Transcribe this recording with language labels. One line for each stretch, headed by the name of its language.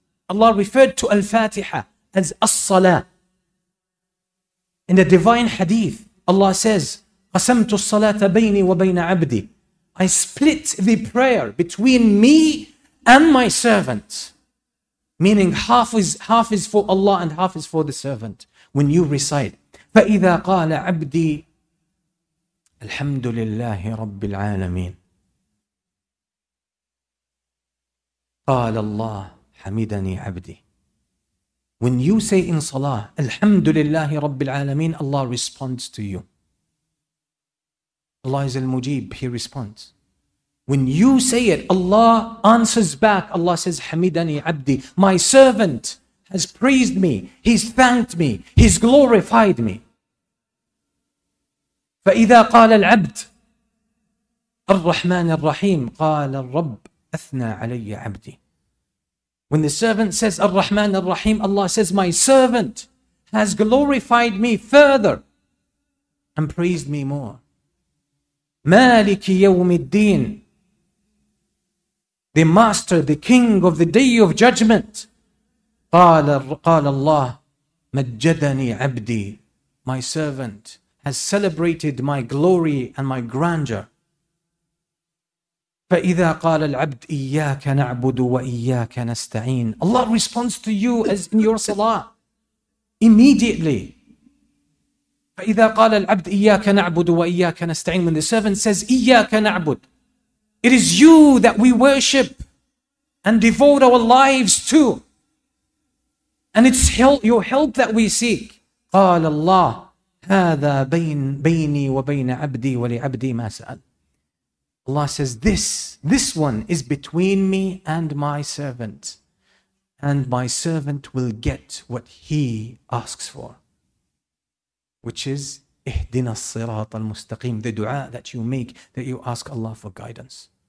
English: Allah referred to Al-Fatiha as As-Salah. In a divine hadith, Allah says,
Arabic: قَسَمْتُ الصَّلَاةَ بَيْنِي وَبَيْنَ عَبْدِي.
English: I split the prayer between me and my servant. Meaning half is for Allah and half is for the servant. When you recite,
Arabic: فَإِذَا قَالَ عَبْدِي الْحَمْدُ لِلَّهِ رَبِّ الْعَالَمِينَ قال الله حمدني عبدي.
English: When you say in salah, Alhamdulillahi Rabbil Alameen, Allah responds to you. Allah is al-mujib, He responds. When you say it, Allah answers back. Allah says,
Arabic: Hamidani abdi,
English: my servant has praised me, he's thanked me, he's glorified me.
Arabic: فإذا قال العبد الرحمن الرحيم قال الرب أثنى علي عبدي.
English: When the servant says
Arabic: الرحمن الرحيم,
English: Allah says, my servant has glorified me further and praised me more.
Arabic: مالك يوم الدين,
English: the master, the king of the day of judgment,
Arabic: قال الله مجدني عبدي,
English: my servant has celebrated my glory and my grandeur.
Arabic: فإذا قال العبد إياك نعبد وإياك نستعين,
English: Allah responds to you as in your salah immediately.
Arabic: فإذا قال العبد إياك نعبد وإياك نستعين,
English: when the servant says
Arabic: إياك نعبد,
English: it is you that we worship and devote our lives to, and it's your help that we seek.
Arabic: قال الله هذا بيني وبين عبدي ولعبدي ما سأل.
English: Allah says, this one is between me and my servant, and my servant will get what he asks for, which is
Arabic: اهدنا الصراط المستقيم,
English: the dua that you make, that you ask Allah for guidance.